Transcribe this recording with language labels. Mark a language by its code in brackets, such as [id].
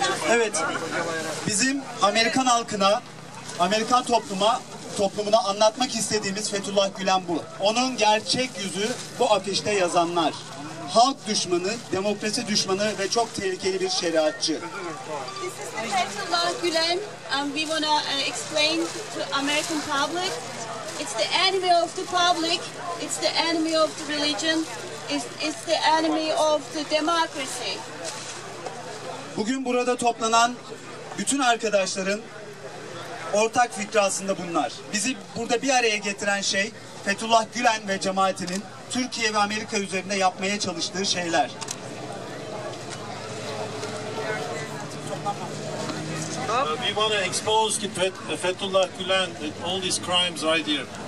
[tr] Evet, bizim Amerikan halkına, Amerikan toplumuna anlatmak istediğimiz Fethullah Gülen bu. Onun gerçek yüzü bu afişte yazanlar. Halk düşmanı, demokrasi düşmanı ve çok tehlikeli bir şeriatçı. [en] This is Fethullah Gülen and we want to explain to American public. It's the enemy of the public, it's the enemy of the religion. It's the enemy of the democracy. [tr] Bugün burada toplanan bütün arkadaşların ortak fikri aslında bunlar. Bizi burada bir araya getiren şey Fethullah Gülen ve cemaatinin Türkiye ve Amerika üzerinde yapmaya çalıştığı şeyler. [en] We want to expose Fethullah Gülen and all these crimes right here.